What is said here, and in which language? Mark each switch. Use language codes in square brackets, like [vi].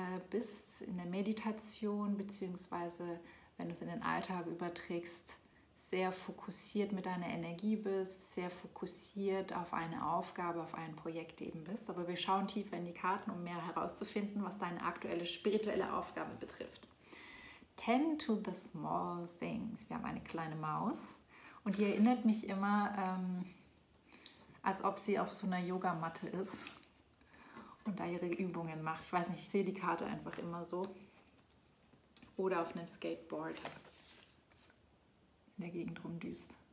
[de] bist in der Meditation, beziehungsweise wenn du es in den Alltag überträgst, sehr fokussiert mit deiner Energie bist, sehr fokussiert auf eine Aufgabe, auf ein Projekt eben bist. Aber wir schauen tiefer in die Karten, um mehr herauszufinden, was deine aktuelle spirituelle Aufgabe betrifft. [en] Tend to the small things. [de] Wir haben eine kleine Maus und die erinnert mich immer, als ob sie auf so einer Yogamatte ist und da ihre Übungen macht. Ich weiß nicht, ich sehe die Karte einfach immer so. Oder auf einem Skateboard in der Gegend rumdüst.